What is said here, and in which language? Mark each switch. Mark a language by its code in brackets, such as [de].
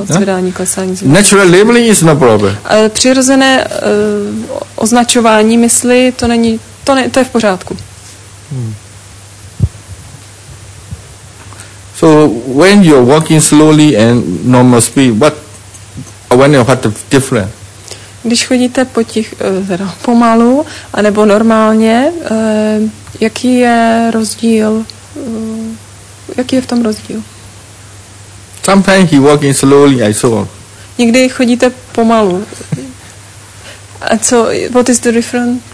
[cs] prvá, zvedání, klesání, zvedání. [en] Natural labeling is no problem. [cs] Přirozené označování mysli, to není, to je v pořádku. [en] So when you're walking slowly and normal speed, what awareness of what the difference? [cs] Když chodíte pomalu anebo normálně, jaký je rozdíl? Jaký je v tom rozdíl? [en] Sometimes he walking slowly, I saw. [cs] Někdy chodíte pomalu. A co, [en] what is the difference?